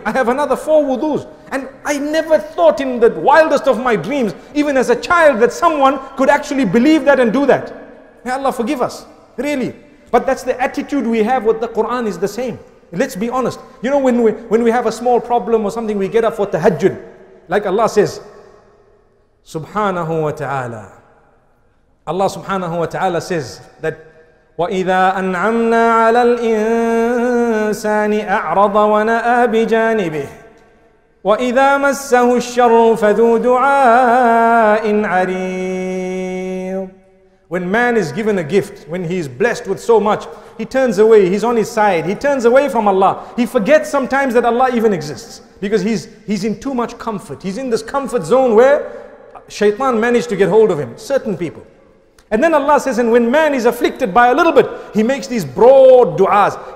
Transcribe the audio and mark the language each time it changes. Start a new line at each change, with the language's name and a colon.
English: I have another four wudus. And I never thought in the wildest of my dreams, even as a child, that someone could actually believe that and do that. May Allah forgive us. Really. But that's the attitude we have with the Quran, is the same. Let's be honest. You know, when we have a small problem or something, we get up for tahajjud. Like Allah says, Subhanahu wa ta'ala.
Arabic: Allah subhanahu wa ta'ala
English: says that,
Arabic: وَإِذَا أَنْعَمْنَا عَلَى الْإِنسَانِ أَعْرَضَ وَنَأَى بِجَانِبِهِ وَإِذَا مَسَّهُ الشَّرُّ فَذُو دُعَاءٍ عَرِيضٍ.
English: When man is given a gift, when he is blessed with so much, he turns away, he's on his side, he turns away from Allah. He forgets sometimes that Allah even exists, because he's in too much comfort. He's in this comfort zone where shaitan managed to get hold of him, certain people. And then Allah says, and when man is afflicted by a little bit, he makes these broad du'as.